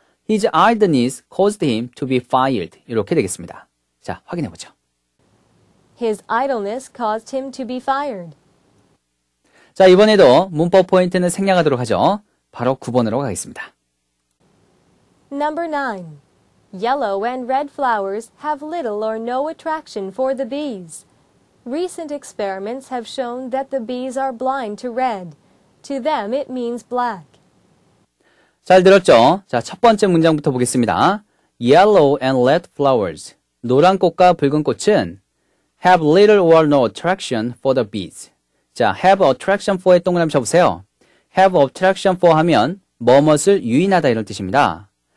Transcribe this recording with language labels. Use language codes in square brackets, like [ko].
[en] His idleness caused him to be fired. [ko] 이렇게 되겠습니다. 자, 확인해보죠. [en] His idleness caused him to be fired. [ko] 자, 이번에도 문법 포인트는 생략하도록 하죠. 바로 9번으로 가겠습니다. [en] Number 9. Yellow and red flowers have little or no attraction for the bees. Recent experiments have shown that the bees are blind to red. To them, it means black. [ko] 잘 들었죠? 자, 첫 번째 문장부터 보겠습니다. [en] Yellow and red flowers. [ko] 노란 꽃과 붉은 꽃은 [en] have little or no attraction for the bees. [ko] 자, [en] have attraction for [ko] 의 동그라미 쳐보세요. [en] Have attraction for [ko] 하면 뭐뭇을 유인하다 이런 뜻입니다.